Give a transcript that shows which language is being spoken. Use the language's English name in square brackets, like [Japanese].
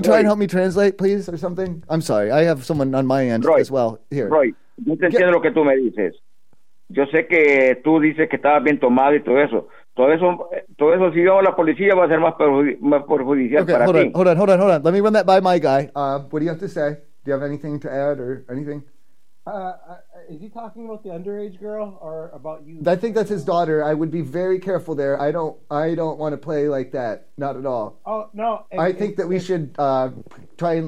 [English] try and help me translate, please, or something? I'm sorry, I have someone on my end, Roy, as well. Here. [Spanish] Roy, yo te entiendo lo que tú me dices. Yo sé que tú dices que estabas bien tomado y todo eso, si yo a la policía va a ser más perjudicial para ti. [English] Hold on. Let me run that by my guy. What do you have to say? Do you have anything to add or anything? Is he talking about the underage girl or about you? I think that's his daughter. I would be very careful there. I don't want to play like that. Not at all. I think we should try and